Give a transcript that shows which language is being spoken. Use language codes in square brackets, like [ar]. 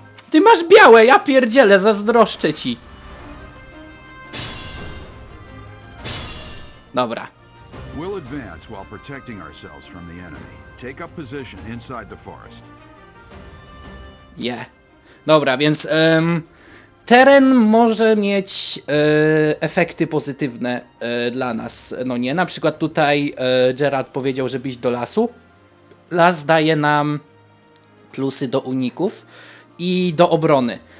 [pl] Ty masz białe, ja pierdzielę, zazdroszczę ci! Dobra. [en] We'll advance while protecting ourselves from the enemy. Take up position inside the forest. Yeah. [pl] Dobra, więc teren może mieć efekty pozytywne dla nas. No nie, na przykład tutaj Gerard powiedział, żeby iść do lasu. Las daje nam plusy do uników i do obrony.